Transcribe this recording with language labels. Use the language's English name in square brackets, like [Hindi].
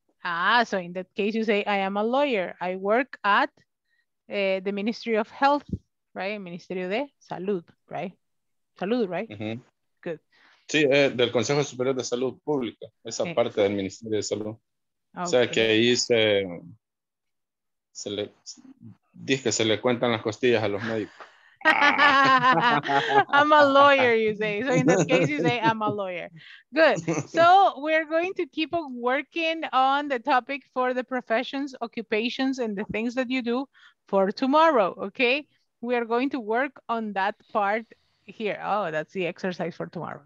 [English] Ah, so in that case you say, I am a lawyer. I work at the Ministry of Health, right? Ministerio de Salud, right? Salud, right? Mm-hmm. Good. [Spanish] Sí, del Consejo Superior de Salud Pública, esa okay. parte del Ministerio de Salud. Okay. O sea, que ahí dice que se le cuentan las costillas a los médicos. [English] I'm a lawyer, you say. So in that case, you say, I'm a lawyer. Good. So we're going to keep on working on the topic for the professions, occupations, and the things that you do for tomorrow, okay? We are going to work on that part here. Oh, that's the exercise for tomorrow.